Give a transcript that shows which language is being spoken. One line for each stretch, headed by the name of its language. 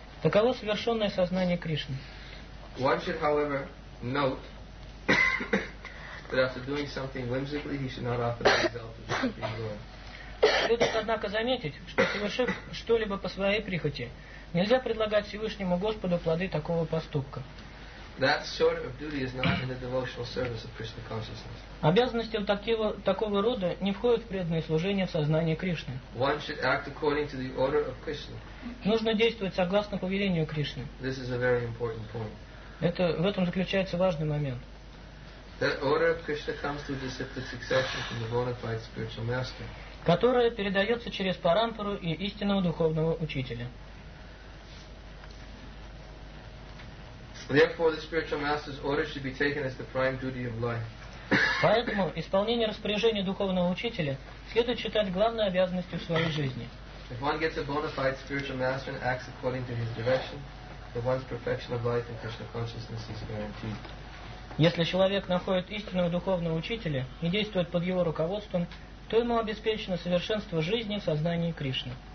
Russian: Таково совершенное сознание Кришны.
English: One should, however, note that after doing something whimsically, he should not offer himself as the Supreme Lord.
Russian: Следует, однако, заметить, что совершив что-либо по своей прихоти, нельзя предлагать Всевышнему Господу плоды такого поступка.
English: That sort of duty is not in the devotional service of Krishna consciousness.
Russian: Обязанности такого рода не входят в преданное служение в сознании Кришны.
English: One should act according to the order of Krishna.
Russian: Нужно действовать согласно повелению Кришны.
English: This is a very important point.
Russian: Это в этом заключается важный момент.
English: The order of Krishna comes through disciplic succession from the bona fide spiritual master.
Russian: Которая передается через парампару и истинного духовного учителя.
English: Therefore, the spiritual master's order should be taken as the prime duty of life.
Russian: Поэтому исполнение распоряжения духовного учителя следует считать главной обязанностью в своей жизни.
English: If one gets a bona fide spiritual master and acts according to his direction, the one's perfection of life and Krishna consciousness is guaranteed.
Russian: Если человек находит истинного духовного учителя и действует под его руководством, то ему обеспечено совершенство жизни в сознании Кришны.